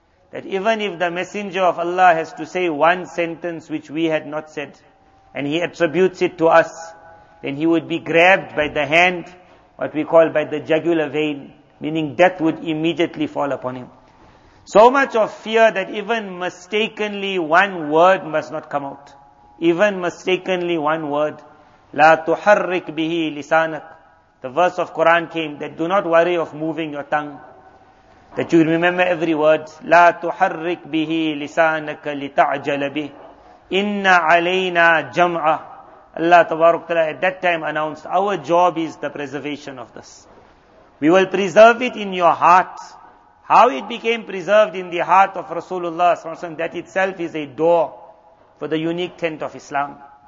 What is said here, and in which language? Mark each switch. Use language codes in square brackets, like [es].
[en] that even if the messenger of Allah has to say one sentence which we had not said, and he attributes it to us, then he would be grabbed by the hand, what we call by the jugular vein, meaning death would immediately fall upon him. So much of fear that even mistakenly one word must not come out. Even mistakenly one word. [ar] لا تحرك به لسانك. [en] The verse of Quran came that do not worry of moving your tongue. That you remember every word. [ar] لا تحرك به لسانك لتعجل به. إن علينا جمعة. [en] Allah [ar] تبارك وتعالى [en] at that time announced, our job is the preservation of this. We will preserve it in your heart. How it became preserved in the heart of Rasulullah, that itself is a door for the unique tent of Islam.